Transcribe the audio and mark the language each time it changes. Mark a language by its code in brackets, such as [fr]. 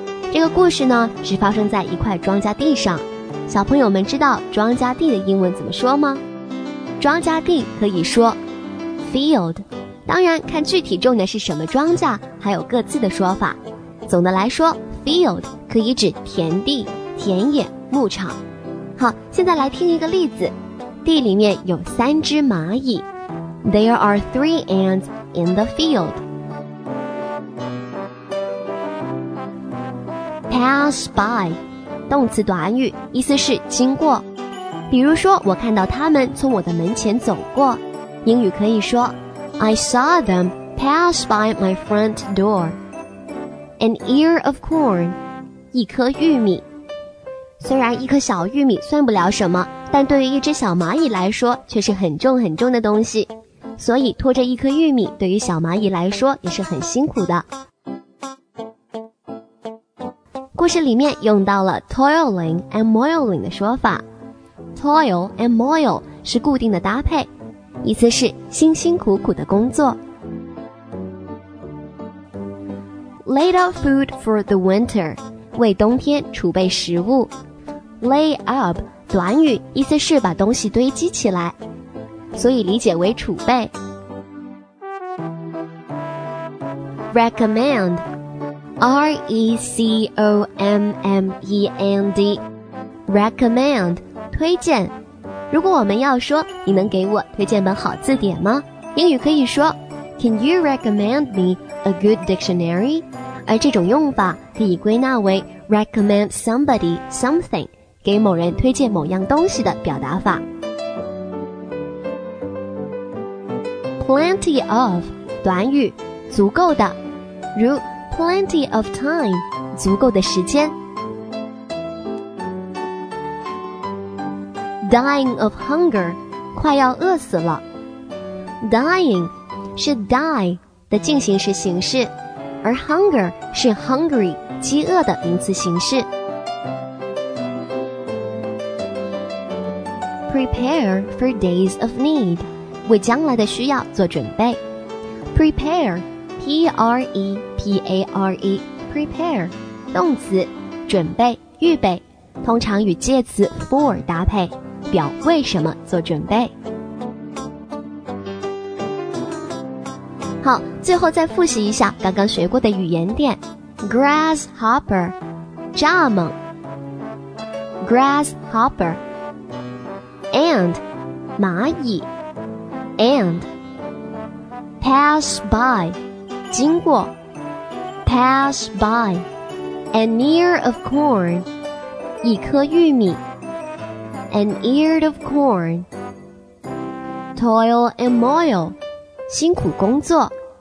[zh] 这个故事呢，是发生在一块庄稼地上。小朋友们知道庄稼地的英文怎么说吗？庄稼地可以说 field， 当然看具体种的是什么庄稼，还有各自的说法。总的来说 ，field 可以指田地、田野、牧场。好，现在来听一个例子。地里面有三只蚂蚁。 [en] There are three ants in the field. [zh] Pass by， 动词短语，意思是经过。比如说，我看到他们从我的门前走过。英语可以说 ， [en] I saw them pass by my front door. An ear of corn， [zh] 一颗玉米。虽然一颗小玉米算不了什么，但对于一只小蚂蚁来说却是很重很重的东西，所以拖着一颗玉米对于小蚂蚁来说也是很辛苦的。故事里面用到了 [en] toiling and moiling [zh] 的说法。 [en] toil and moil [zh] 是固定的搭配，意思是辛辛苦苦的工作。 [en] laid out food for the winter， [zh] 为冬天储备食物。 [en] lay up [zh] 短语，意思是把东西堆积起来，所以理解为储备。 [en] recommend， R-E-C-O-M-M-E-N-D， recommend， [zh] 推荐。如果我们要说你能给我推荐本好字典吗，英语可以说 [en] Can you recommend me a good dictionary？ [zh] 而这种用法可以归纳为 [en] recommend somebody something， [zh] 给某人推荐某样东西的表达法。 plenty of 短语，足够的，如 [en] plenty of time， [zh] 足够的时间。 [en] dying of hunger， [zh] 快要饿死了。 dying 是 die 的进行时形式，而 hunger 是 hungry 饥饿的名词形式。 [en] Prepare for days of need， [zh] 为将来的需要做准备。 Prepare， P-R-E-P-A-R-E， prepare， 动词，准备、预备，通常与介词 for 搭配，表为什么做准备。好，最后再复习一下刚刚学过的语言点。 [en] Grasshopper， [zh] 蚱蜢。 [en] GrasshopperAnd， [zh] 蚂蚁。 [en] And pass by， [zh] 经过。 [en] pass by。 An ear of corn， [zh] 一颗玉米。 [en] An ear of corn。 Toil and moil， [zh] 辛苦工作。